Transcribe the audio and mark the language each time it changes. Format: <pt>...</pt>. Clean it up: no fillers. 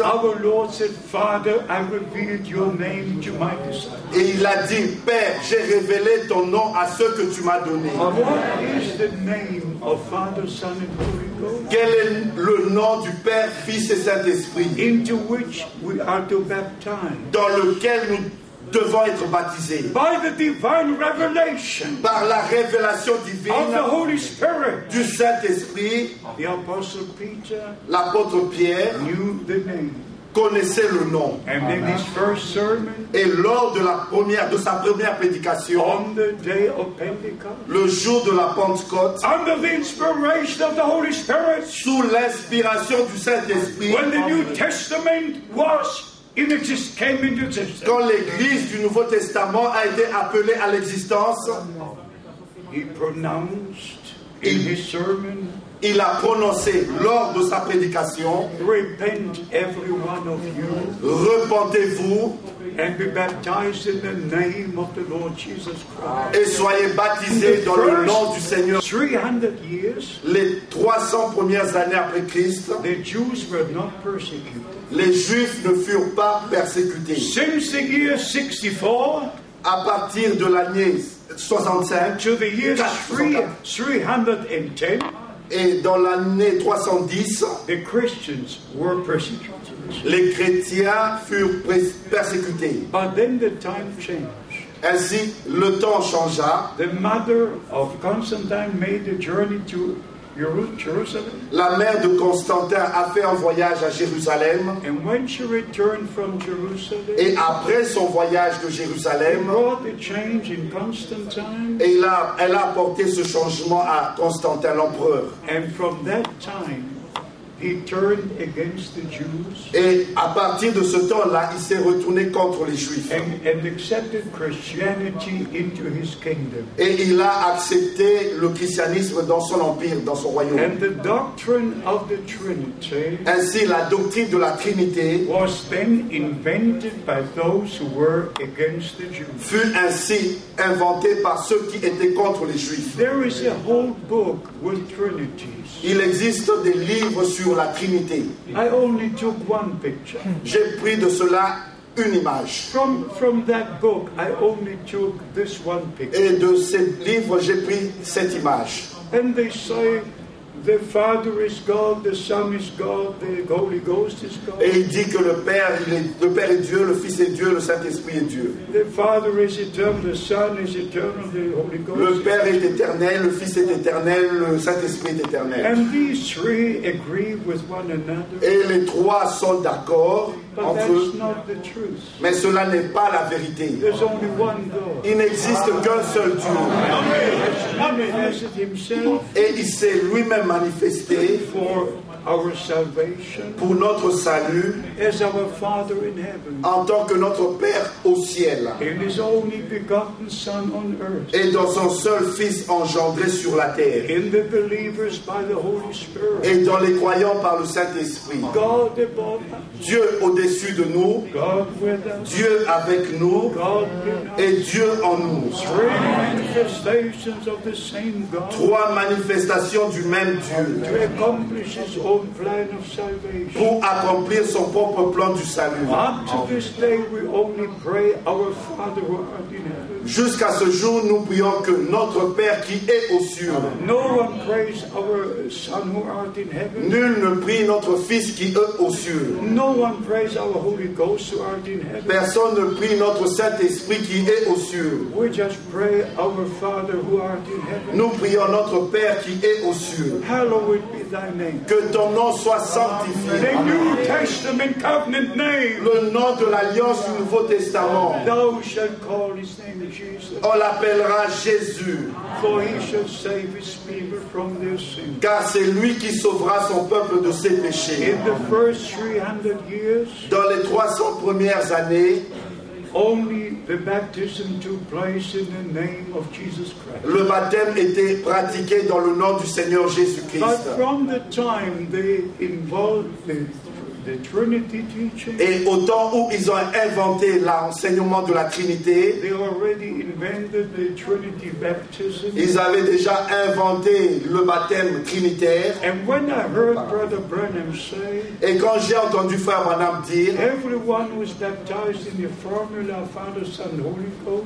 <en>Our Lord said, Father, I revealed your name to my disciples.</en> <fr>Et il a dit, Père, j'ai révélé ton nom à ceux que tu m'as donné.</fr> <en>What is the name of Father, Son, and Holy Ghost?</en> <fr>Quel est le nom du Père, Fils et Saint-Esprit?</fr> <en>Into which we are to baptize.</en> <fr>Dans lequel nous devons être baptisés.</fr> <en>By the divine revelation.</en> <fr>Par la révélation divine.</fr> <en>Of the Holy Spirit.</en> <fr>Du Saint-Esprit.</fr> <en>The apostle Peter.</en> <fr>L'apôtre Pierre.</fr> <en>Knew the name.</en> <fr>Connaissait le nom.</fr> <en>And in his first sermon,</en> <fr>et lors de sa première prédication,</fr> <en>on the day of Pentecost,</en> <fr>le jour de la Pentecôte,</fr> <en>under the inspiration of the Holy Spirit,</en> <fr>sous l'inspiration du Saint-Esprit,</fr> <en>when the New Testament was in existence, came into existence,</en> <fr>quand l'Église du Nouveau Testament a été appelée à l'existence,</fr> <en>he pronounced in his sermon,</en> <fr>il a prononcé lors de sa prédication,</fr> <en>repent every one of you,</en> <fr>repentez-vous,</fr> <en>and be baptized in the name of the Lord Jesus Christ,</en> <fr>et soyez baptisés dans le nom du Seigneur.</fr> <en>300 years,</en> <fr>les 300 premières années après Christ,</fr> <en>the Jews were not persecuted.</en> <fr>Les Juifs ne furent pas persécutés.</fr> <en>Since the year 64,</en> <fr>à partir de l'année 65,</fr> <en>to the year 310,</en> <fr>et dans l'année 310,</fr> <en>the Christians were persecuted.</en> <fr>Les chrétiens furent persécutés.</fr> <en>But then the time changed.</en> <fr>Ainsi, le temps changea.</fr> <en>The mother of Constantine made the journey to Jerusalem.</en> <fr>La mère de Constantin a fait un voyage à Jérusalem.</fr> <en>And when she returned from Jerusalem,</en> <fr>et après son voyage de Jérusalem,</fr> <en>she brought a change in Constantine,</en> <fr>et elle a apporté ce changement à Constantin l'empereur.</fr> <en>And from that time, he turned against the Jews.</en> <fr>Et à partir de ce temps-là, il s'est retourné contre les Juifs.</fr> <en>And accepted Christianity into his kingdom.</en> <fr>Et il a accepté le christianisme dans son empire, dans son royaume.</fr> <en>And the doctrine of the Trinity.</en> <fr>Ainsi, la doctrine de la Trinité</fr> <en>was then invented by those who were against the Jews.</en> <fr>Fut ainsi inventé par ceux qui étaient contre les Juifs.</fr> <en>There is a whole book with Trinities.</en> <fr>Il existe des livres sur la Trinité.</fr> <en>I only took one picture.</en> <fr>J'ai pris de cela une image.</fr> <en>From that book, I only took this one picture.</en> <fr>Et de ce livre, j'ai pris cette image.</fr> <en>And they say, the Father is God, the Son is God, the Holy Ghost is God.</en> <fr>Et il dit que le Père est Dieu, le Fils est Dieu, le Saint-Esprit est Dieu.</fr> <en>The Father is eternal, the Son is eternal, the Holy Ghost.</en> <fr>Le Père est éternel, le Fils est éternel, le Saint-Esprit est éternel.</fr> <en>And these three agree with one another.</en> <fr>Et les trois sont d'accord.</fr> <en>But that's not the truth.</en> <fr>Mais cela n'est pas la vérité.</fr> <en>There's only one God.</en> <fr>Il n'existe qu'un seul Dieu.</fr> <en>Amen. Amen.</en> <fr>Et il s'est lui-même manifesté</fr> <en>for our salvation,</en> <fr>pour notre salut,</fr> <en>as our Father in heaven,</en> <fr>en tant que notre Père au ciel,</fr> <en>in his only begotten Son on earth,</en> <fr>et dans son seul Fils engendré sur la terre,</fr> <en>in the believers by the Holy Spirit,</en> <fr>et dans les croyants par le Saint-Esprit.</fr> <en>God above us,</en> <fr>Dieu au-dessus de nous,</fr> <en>God with us,</en> <fr>Dieu avec nous,</fr> <en>God in us,</en> <fr>et Dieu en nous.</fr> <en>Three manifestations of the same God,</en> <fr>trois manifestations du même Dieu.</fr> <en>To accomplish his own plan of salvation.</en> <fr>Pour accomplir son propre plan du salut.</fr> <en>Up to this day we only pray our Father who art in heaven.</en> <fr>Jusqu'à ce jour, nous prions que notre Père qui est aux cieux.</fr> <en>No one prays our Son who art in heaven.</en> <fr>Nul ne prie notre Fils qui est aux cieux.</fr> <en>No one prays our Holy Ghost who art in heaven.</en> <fr>Personne ne prie notre Saint-Esprit qui est aux cieux.</fr> <en>We just pray our Father who art in heaven.</en> <fr>Nous prions notre Père qui est aux cieux.</fr> <en>Hallowed be thy name.</en> <fr>Que ton nom soit sanctifié.</fr> <en>The New Testament covenant name.</en> <fr>Le nom de l'Alliance du Nouveau Testament.</fr> <en>Thou shalt call his name.</en> <fr>On l'appellera Jésus.</fr> <en>For he shall save his people from their sins.</en> <fr>Car c'est lui qui sauvera son peuple de ses péchés.</fr> <en>In the first 300 years,</en> <fr>dans les 300 premières années,</fr> <en>only the baptism took place in the name of Jesus Christ.</en> <fr>Le baptême était pratiqué dans le nom du Seigneur Jésus-Christ.</fr> <en>But from the time they involved the Trinity teaching,</en> <fr>et au temps où ils ont inventé l'enseignement de la Trinité,</fr> <en>they already invented the Trinity baptism.</en> <fr>Ils avaient déjà inventé le baptême trinitaire.</fr> <en>And when I heard Brother Branham say,</en> <fr>et quand j'ai entendu Frère Branham dire,</fr> <en>everyone was baptized in the formula of Father, Son, Holy Ghost,</en>